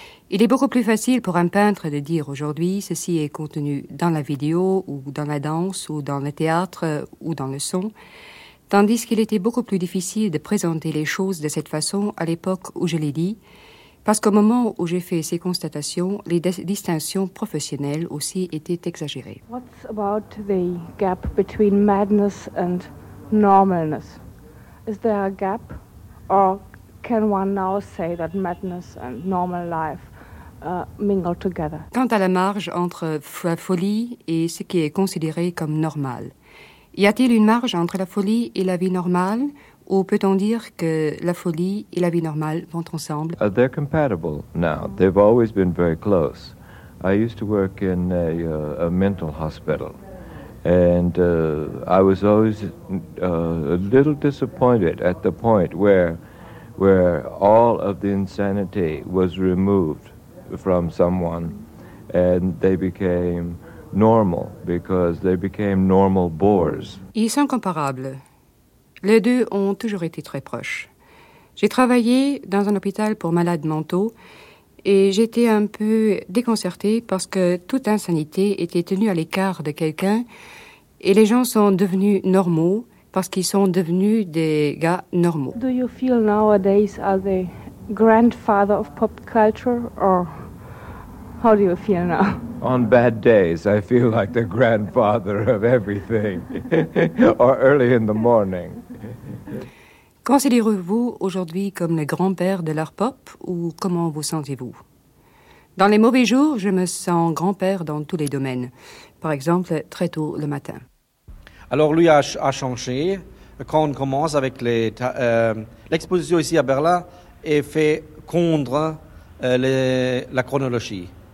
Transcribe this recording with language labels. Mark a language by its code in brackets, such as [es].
[fr] Il est beaucoup plus facile pour un peintre de dire aujourd'hui ceci est contenu dans la vidéo ou dans la danse ou dans le théâtre ou dans le son, tandis qu'il était beaucoup plus difficile de présenter les choses de cette façon à l'époque où je l'ai dit, parce qu'au moment où j'ai fait ces constatations, les distinctions professionnelles aussi étaient exagérées. [en] What's about the gap between madness and normalness? Is there a gap or can one now say that madness and normal life mingle together? [fr] Quant à la marge entre la folie et ce qui est considéré comme normal, y a-t-il une marge entre la folie et la vie normale, ou peut-on dire que la folie et la vie normale vont ensemble? [en] They're compatible now. They've always been very close. I used to work in a mental hospital, and I was always a little disappointed at the point where all of the insanity was removed from someone and they became normal because they became normal bores. [fr] Ils sont comparables. Les deux ont toujours été très proches. J'ai travaillé dans un hôpital pour malades mentaux et j'étais un peu déconcertée parce que toute insanité était tenue à l'écart de quelqu'un et les gens sont devenus normaux parce qu'ils sont devenus des gars normaux. [en] Do you feel nowadays as the grandfather of pop culture or how do you feel now? On bad days, I feel like the grandfather of everything, or early in the morning. [fr] Considérez-vous aujourd'hui comme le grand-père de l'art pop, ou comment vous sentez-vous? Dans les mauvais jours, je me sens grand-père dans tous les domaines. Par exemple, très tôt le matin. Alors lui a changé. Quand on commence avec l'exposition ici à Berlin, est fait contre la chronologie.